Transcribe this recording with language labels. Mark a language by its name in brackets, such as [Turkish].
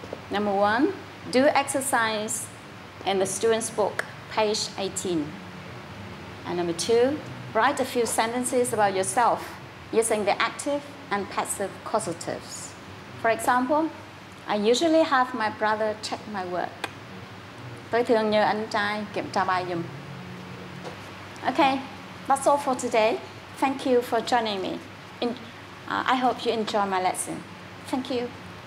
[English] Number one, do exercise in the student's book, page 18. And number two, write a few sentences about yourself using the active and passive causatives. For example, I usually have my brother check my work. [Vietnamese] Tôi thường nhờ anh trai kiểm tra bài giùm. [English] Okay, that's all for today. Thank you for joining me. I hope you enjoy my lesson. Thank you.